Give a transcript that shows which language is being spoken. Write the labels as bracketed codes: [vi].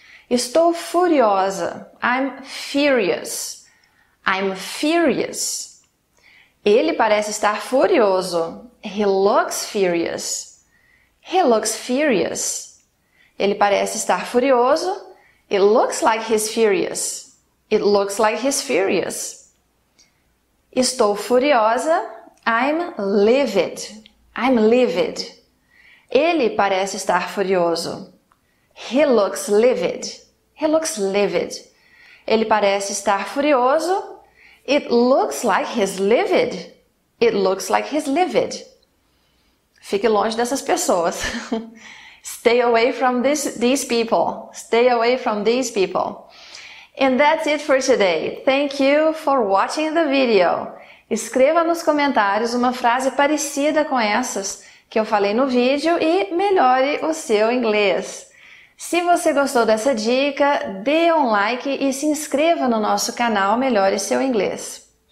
[pt] Estou furiosa. [en] I'm furious. I'm furious. [pt] Ele parece estar furioso. [en] He looks furious. He looks furious. [pt] Ele parece estar furioso. [en] It looks like he's furious. It looks like he's furious. [pt] Estou furiosa. [en] I'm livid. I'm livid. [pt] Ele parece estar furioso. [en] He looks livid. He looks livid. [pt] Ele parece estar furioso. [en] It looks like he's livid. It looks like he's livid. [pt] Fique longe dessas pessoas. [en] Stay away from these people. Stay away from these people. And that's it for today. Thank you for watching the video. [pt] Escreva nos comentários uma frase parecida com essas que eu falei no vídeo e melhore o seu inglês. Se você gostou dessa dica, dê um like e se inscreva no nosso canal Melhore Seu Inglês.